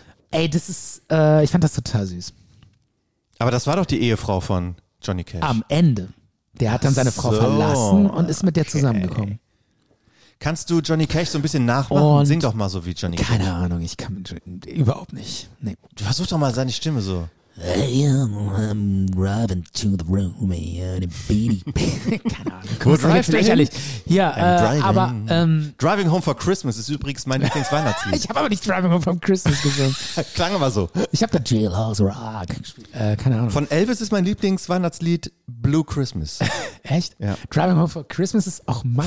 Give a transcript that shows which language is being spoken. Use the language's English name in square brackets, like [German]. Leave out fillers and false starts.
[German] Ey, das ist, ich fand das total süß. Aber das war doch die Ehefrau von Johnny Cash. Am Ende. Der hat dann seine Frau verlassen und ist mit der zusammengekommen. Kannst du Johnny Cash so ein bisschen nachmachen? Und sing doch mal so wie Johnny Cash. Keine Ahnung, ich kann mit Johnny, überhaupt nicht. Nee. Du versuch doch mal seine Stimme so. [English] I am driving to the room and a baby. [German] Keine Ahnung. Wo drive lächerlich. Ja, driving. Aber Driving Home for Christmas ist übrigens mein Lieblingsweihnachtslied. Ich habe aber nicht Driving Home for Christmas gesungen. Klang immer so. Ich habe da Jailhouse Rock gespielt. Keine Ahnung. Von Elvis ist mein Lieblingsweihnachtslied Blue Christmas. Echt? Ja. Driving Home for Christmas ist auch mein.